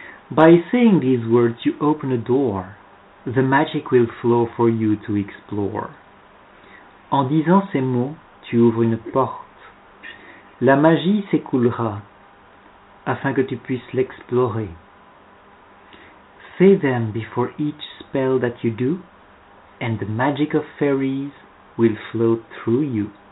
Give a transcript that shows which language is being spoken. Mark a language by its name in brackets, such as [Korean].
[English] By saying these words, you open a door. The magic will flow for you to explore. [French] En disant ces mots, tu ouvres une porte. La magie s'écoulera afin que tu puisses l'explorer. [English] Say them before each spell that you do, and the magic of fairies will flow through you.